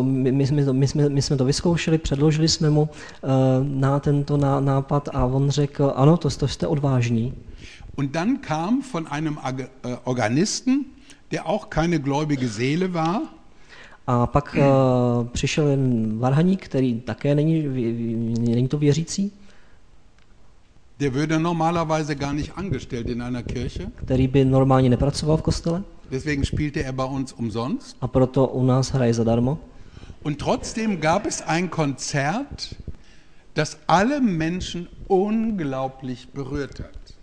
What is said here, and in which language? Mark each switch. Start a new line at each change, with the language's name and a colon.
Czech: My jsme to vyzkoušeli, předložili jsme mu na tento nápad a on řekl, ano, to jste odvážní.
German: Und dann kam von einem Organisten, der auch keine gläubige Seele war.
Czech: A pak přišel jeden varhaník, který také není to věřící.
German: Der würde normalerweise gar nicht angestellt in einer Kirche.
Czech: Který by normálně nepracoval v kostele.
German: Deswegen spielte er bei uns umsonst.
Czech: A proto u nás hraje zadarmo.
German: Und trotzdem gab es ein Konzert, das alle Menschen unglaublich berührt hat.